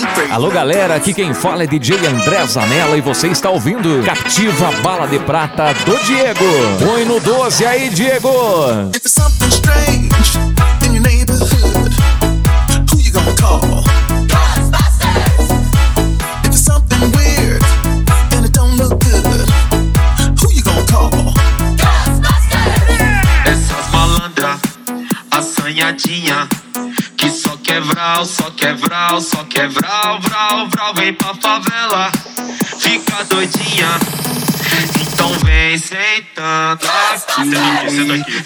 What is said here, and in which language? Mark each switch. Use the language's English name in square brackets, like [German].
[Portuguese] Alô, galera, aqui quem fala é DJ André Zanella e você está ouvindo Captiva Bala de Prata do Diego. Põe no 12 aí, Diego. [English] If it's something strange in your neighborhood, who you gonna call? Ghostbusters. If it's something weird and it don't look good, who you gonna call? Ghostbusters. [Portuguese] Essas malandras, assanhadinha, que só quebral, só quebral, só quebral, vral, vral, vem pra favela, fica doidinha. Então vem sentando aqui.